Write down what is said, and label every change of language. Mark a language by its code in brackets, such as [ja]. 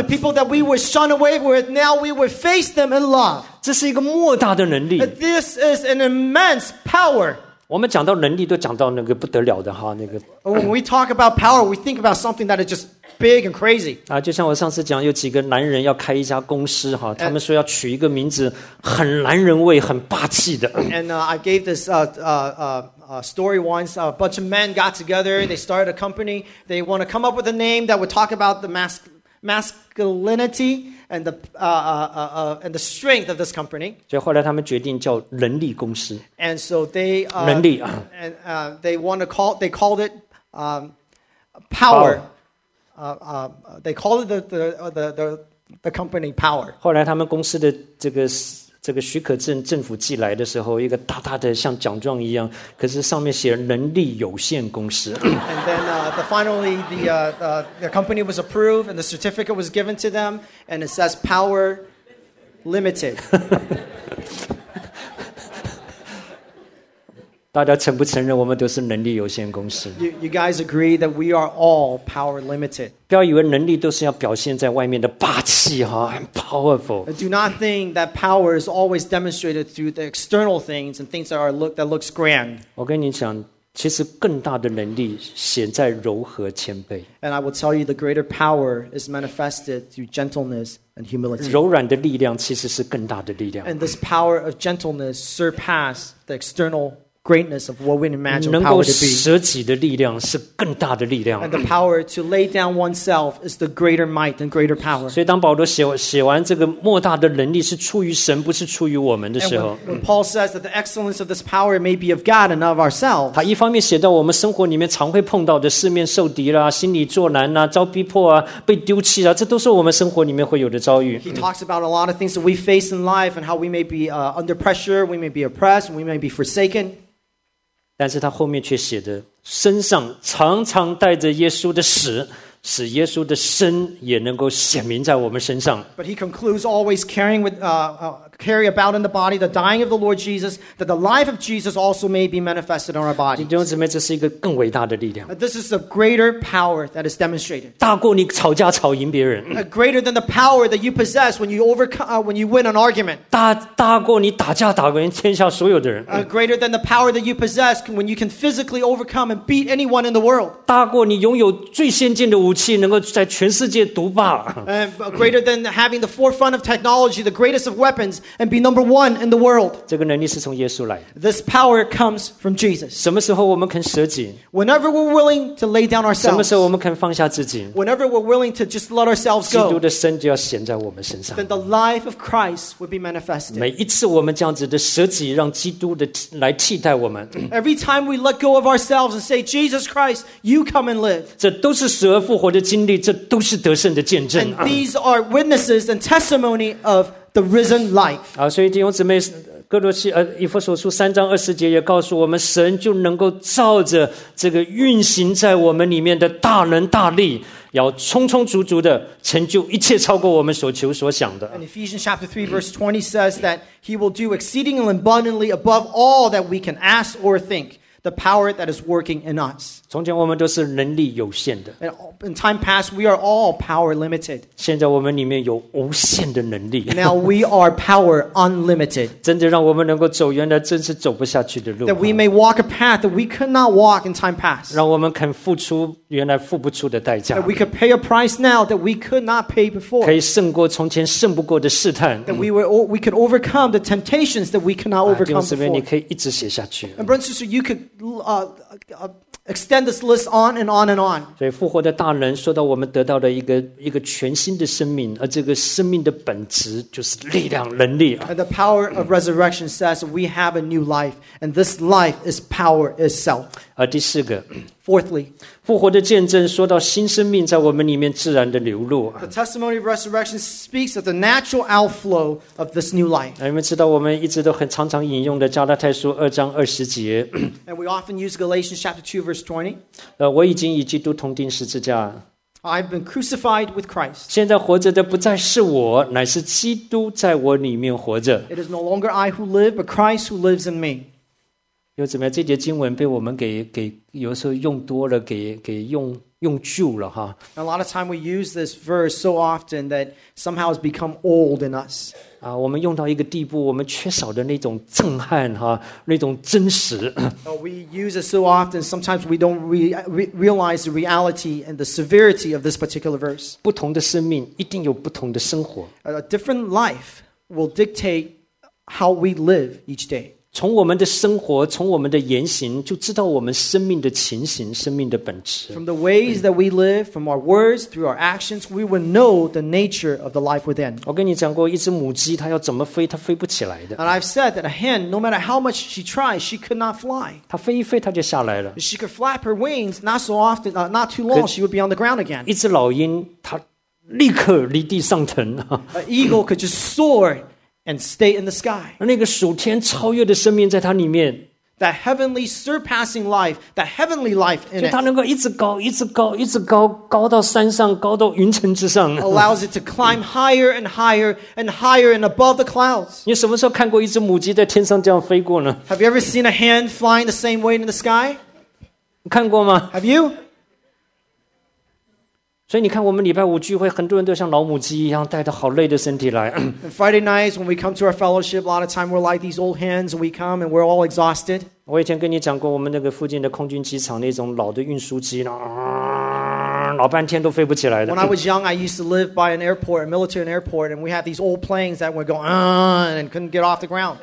[en] The people that we were shun away with now we would face them in love [zh] 这是一个莫大的能力 [en] This is an immense power [zh] 我们讲到能力都讲到那个不得了的哈、那个、 [en] When we talk about power we think about something that is just big and crazy [zh] 啊，就像我上次讲有几个男人要开一家公司哈，他们说要取一个名字很男人味很霸气的 [en] And I gave this story once, a bunch of men got together, they started a company, they want to come up with a name that would talk about the masculinity and the strength of this company. [zh] 所以后来他们决定叫能力公司。 [en] And so they, [zh] 能力啊。 [en] And they called it power. they call it the company power. [zh] 后来他们公司的这个许可证政府寄来的时候，一个大大的像奖状一样，可是上面写能力有限公司。 [en] And then finally the company was approved and the certificate was given to them and it says power limited. [zh] 大家承不承认我们都是能力有限公司？ [en] You guys agree that we are all power limited. [zh] 不要以为能力都是要表现在外面的霸气哈 ， [en] I'm powerful. Do not think that power is always demonstrated through the external things and things that are that looks grand. [zh] 我跟你讲，其实更大的能力显在柔和谦卑。 [en] And I will tell you the greater power is manifested through gentleness and humility. [zh] 柔软的力量其实是更大的力量。 [en] And this power of gentleness surpasses the external. Greatness of what we imagine [zh] 能够舍己的力量是更大的力量。 [en] And the power to lay down oneself is the greater might and greater power. [zh] 所以当保罗写完这个莫大的能力是出于神，不是出于我们的时候 [en] when Paul says that the excellence of this power may be of God and of ourselves, [zh] 他一方面写到我们生活里面常会碰到的四面受敌啦，心里作难啦，遭逼迫啊，被丢弃啦，这都是我们生活里面会有的遭遇。 [en] He talks about a lot of things that we face in life and how we may be under pressure, we may be oppressed, we may be forsaken. [zh] 但是他后面却写的身上常常带着耶稣的死，使耶稣的生也能够显明在我们身上。 [en] But he concludes always carry about in the body the dying of the Lord Jesus, that the life of Jesus also may be manifested on our body. [zh] 弟兄姊妹，这是一个更伟大的力量。 [en] This is a greater power that is demonstrated. [zh] 大过你吵架吵赢别人。 [en] Greater than the power that you possess when you overcome when you win an argument. [zh] 大过你打架打赢天下所有的人。 [en] Greater than the power that you possess when you can physically overcome and beat anyone in the world. [zh] 大过你拥有最先进的武器能够在全世界独霸。 [en] Greater than having the forefront of technology, the greatest of weapons, and be number one in the world. [zh] 这个能力是从耶稣来。 [en] This power comes from Jesus. [zh] 什么时候我们肯舍己？ [en] Whenever we're willing to lay down ourselves. [zh] 什么时候我们肯放下自己？ [en] Whenever we're willing to just let ourselves go. [zh] 基督的身就要显在我们身上。 [en] Then the life of Christ would be manifested. [zh] 每一次我们这样子的舍己，让基督的来替代我们。 [en] Every time we let go of ourselves and say, Jesus Christ, you come and live. [zh] 这都是死而复活的经历，这都是得胜的见证。 [en] And these are witnesses and testimony of the risen life. [zh] 所以弟兄姊妹，哥罗西以弗所书三章二十节也告诉我们，神就能够照着这个运行在我们里面的大能大力，要充充足足的成就一切超过我们所求所想的。 [en] And Ephesians chapter 3 verse 20 says that he will do exceedingly abundantly above all that we can ask or think. The power that is working in us. [zh] 从前我们都是能力有限的。 [en] In time past, we are all power limited. [zh] 现在我们里面有无限的能力。 [en] Now we are power unlimited. [zh] 真的让我们能够走原来真是走不下去的路。 [en] That we may walk a path that we could not walk in time past. [zh] 让我们肯付出原来付不出的代价。 [en] That we could pay a price now that we could not pay before. [zh] 可以胜过从前胜不过的试探。 [en] That we could overcome the temptations that we could not overcome before. [zh] 弟兄姊妹，你可以一直写下去。 [en] And brothers and sisters, you could. Extend this list on and on and on. [zh] 所以复活的大能说到我们得到的一个全新的生命，而这个生命的本质就是力量能力。 [en] And the power of resurrection says we have a new life, and this life is power itself. [zh] 第四个 [en] Fourthly, [zh] 复活的见证说到新生命在我们里面自然的流露。 [en] The testimony of resurrection speaks of the natural outflow of this new life. [zh] 你们知道我们一直都很常常引用的加拉太书二章二十节。 [en] And we often use Galatians chapter 2 verse 20. [zh] 我已经与基督同钉十字架。 [en] I've been crucified with Christ. [zh] 现在活着的不再是我，乃是基督在我里面活着。 [en] It is no longer I who live, but Christ who lives in me. [zh] 又怎么样？这节经文被我们给有时候用多了，给用旧了哈。 [en] A lot of time we use this verse so often that somehow it's become old in us. [zh] 我们用到一个地步，我们缺少的那种震撼哈，那种真实。 [en] We use it so often, sometimes we don't realize the reality and the severity of this particular verse. [zh] 不同的生命一定有不同的生活。 [en] A different life will dictate how we live each day. [zh] 从我们的生活，从我们的言行，就知道我们生命的情形，生命的本质。 [en] From the ways that we live, from our words, through our actions, we will know the nature of the life within. [zh] 我跟你讲过，一只母鸡它要怎么飞，它飞不起来的。 [en] And I've said that a hen, no matter how much she tries, she could not fly. [zh] 它飞一飞，它就下来了。 [en] She could flap her wings, not so often, not too long, she would be on the ground again. [zh] 一只老鹰，它立刻离地上腾。 [en] An eagle could just soar. And stay in the sky. [zh] 那个属天超越的生命在它里面。 [en] That heavenly surpassing life, that heavenly life in it. [zh] 就它能够一直高，一直高，一直高，高到山上，高到云层之上。 [en] Allows it to climb higher and higher and higher and above the clouds. [zh] 你什么时候看过一只母鸡在天上这样飞过呢？ [en] Have you ever seen a hen flying the same way in the sky? [zh] 看过吗？ [en] Have you? [zh] 所以你看我们礼拜五聚会很多人都像老母鸡一样带着好累的身体来。 [en] And Friday nights when we come to our fellowship, a lot of time we're like these old hands and we come and we're all exhausted. [zh] 我以前跟你讲过我们那个附近的空军机场那种老的运输机呢、啊、老半天都飞不起来的。 [en] When I was young, I used to live by an airport, a military airport, and we had these old planes that would go、啊、and couldn't get off the ground.